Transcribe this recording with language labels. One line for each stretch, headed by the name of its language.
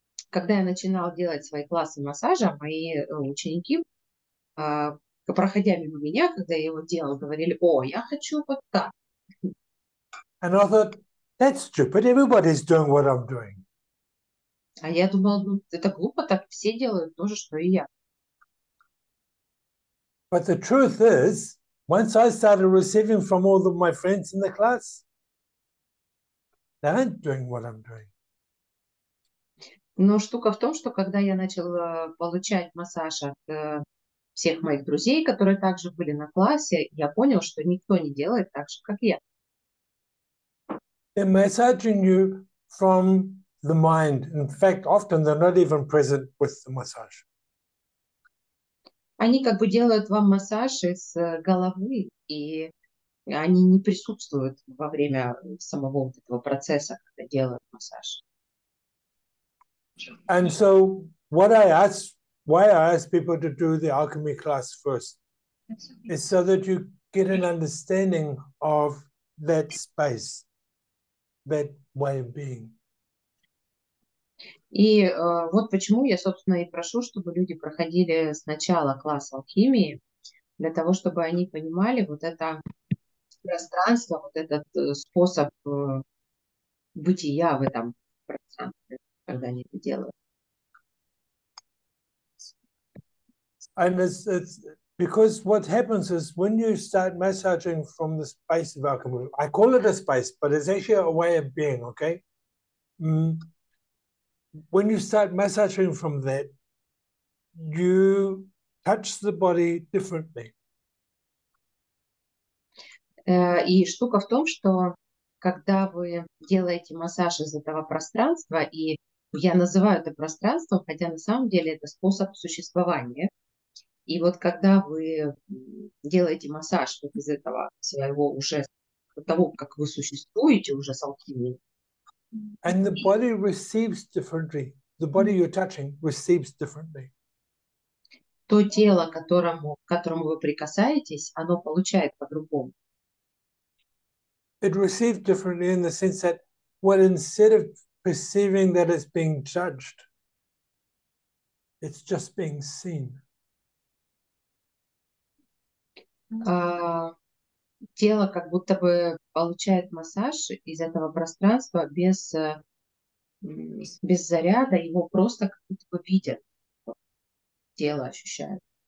Russian: Когда я начинал делать свои классы массажа, мои ученики, проходя мимо меня, когда я его делал, говорили: «О, я хочу вот так».
English: And I thought, that's stupid. Everybody's doing what I'm doing.
Russian: А я думала, ну, это глупо, так все делают то же, что и я.
English: But the truth is, once I started receiving from all of my friends in the class, they aren't doing what I'm doing.
Russian: Но штука в том, что когда я начала получать массаж от всех моих друзей, которые также были на классе, я понял, что никто не делает так же, как я.
English: They're massaging you from the mind. In fact, often they're not even present with the massage.
Russian: Они как бы делают вам массаж из головы, и они не присутствуют во время самого вот этого процесса, когда делают массаж.
English: And so, what I ask, why I ask people to do the alchemy class first, is so that you get an understanding of that space. That way of being.
Russian: И вот почему я, собственно, и прошу, чтобы люди проходили сначала класс алхимии, для того, чтобы они понимали вот это пространство, вот этот способ бытия в этом пространстве, когда они это делают.
English: And it's because what happens is when you start massaging from the space of alchemy, I call it a space, but it's actually a way of being, okay? When you start massaging from that, you touch the body differently.
Russian: И штука в том, что когда вы делаете массаж из этого пространства, и я называю это пространством, хотя на самом деле это способ существования. И вот когда вы делаете массаж вот из этого своего уже того, как вы существуете уже с алхимией,
English: And the body receives differently. The body you're touching receives differently.
Russian: То тело, к которому вы прикасаетесь, оно получает по-другому.
English: It receives differently in the sense that, well, instead of perceiving that it's being judged, it's just being seen.
Russian: Тело как будто бы получает массаж из этого пространства без заряда, его просто как будто бы видят, тело ощущает.